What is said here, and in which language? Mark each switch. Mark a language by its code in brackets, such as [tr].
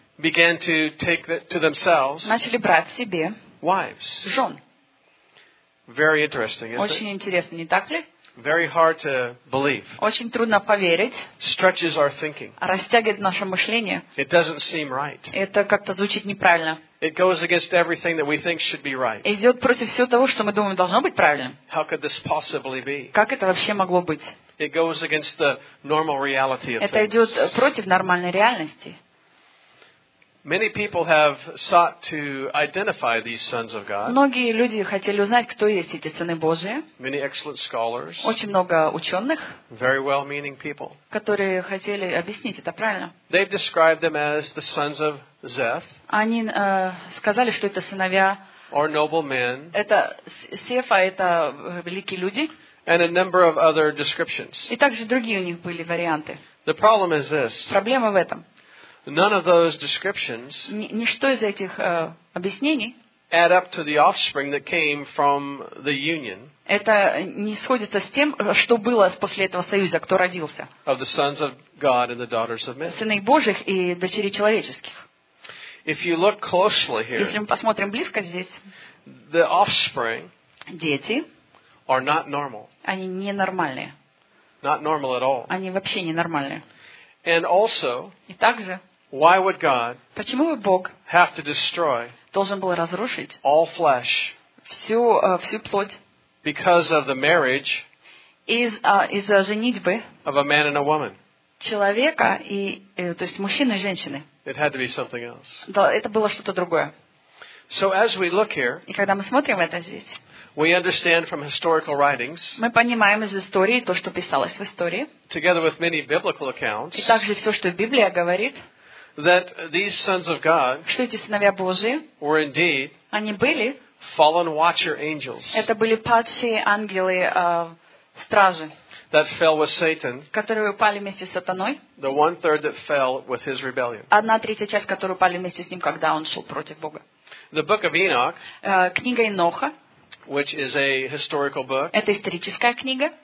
[en] began to take to themselves, [ru] начали брать себе [en] wives, [ru] жен. [en] Very interesting, isn't [ru] очень [en] it? [ru] Интересно, не так ли? [en] Very hard to believe. [ru] Очень трудно поверить. [en] Stretches our thinking. [ru] Растягивает наше мышление. [en] It doesn't seem right. [ru] Это как-то звучит неправильно. [en] It goes against everything that we think should be right. [ru] Идет против всего того, что мы думаем должно быть правильным. [en] How could this possibly be? [ru] Как это вообще могло быть? [en] It goes against the normal reality of things. [ru] Это идет против нормальной реальности. [en] Many people have sought to identify these sons of God. [ru] Многие люди хотели узнать, кто есть эти сыны Божии. [en] Many excellent scholars. [ru] Очень много ученых. [en] Very well-meaning people. [ru] Которые хотели объяснить это правильно. [en] They've described them as the sons of Zeph. [ru] Они сказали, что это сыновья. [en] Or noble men. [ru] Это Сефа, это великие люди. [en] And a number of other descriptions. [ru] И также другие у них были варианты. [en] The problem is this. [ru] Проблема в этом. [en] None of those descriptions [ru] ничто из этих объяснений [en] add up to the offspring that came from the union. [ru] Это не сходится с тем, что было после этого союза, кто родился. [en] Of the sons of God and the daughters of men. [ru] Сыны Божьих и дочери человеческих. [en] If you look closely here, [ru] если мы посмотрим близко здесь, [en] the offspring [ru] дети [en] are not normal. [ru] Они не нормальные. [en] Not normal at all. [ru] Они вообще не нормальные. [en] And also, [ru] и также, [en] why would God [ru] Бог [en] have to destroy [ru] должен был разрушить [en] all flesh [ru] всю плоть [en] because of the marriage [ru] из-за женитьбы [en] of a man and a woman? [ru] Человека и, то есть мужчины и женщины. [en] It had to be something else. [ru] Да, это было что-то другое. [en] So as we look here, [ru] и когда мы смотрим это здесь, [en] we understand from historical writings. [ru] Мы понимаем из истории то, что писалось в истории. [en] Together with many biblical accounts. [ru] И также все, что Библия говорит. [en] That these sons of God. [ru] Что эти сыновья Божии. [en] Were indeed. [ru] Они были. [en] Fallen watcher angels. [ru] Это были падшие ангелы стражи. [en] That fell with Satan. [ru] Которые упали вместе с сатаной. [en] The one third that fell with his rebellion. [ru] Одна третья часть, которые упали вместе с ним, когда он шел против Бога. [en] The book of Enoch. [ru] Книга Еноха. [en] Which is a historical book. [ru] Это историческая книга.